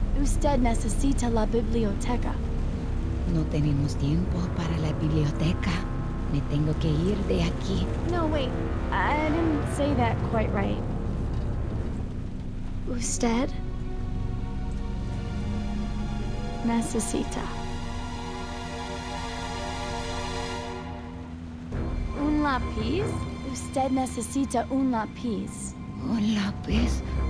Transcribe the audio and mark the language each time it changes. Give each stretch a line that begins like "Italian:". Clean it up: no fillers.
Spanish: Usted necesita la biblioteca. No tenemos tiempo para la biblioteca. Me tengo que ir de aquí.
English: No, wait. I didn't say that quite right.
Spanish: Usted necesita un lápiz. Usted necesita un lápiz. ¿Un lápiz?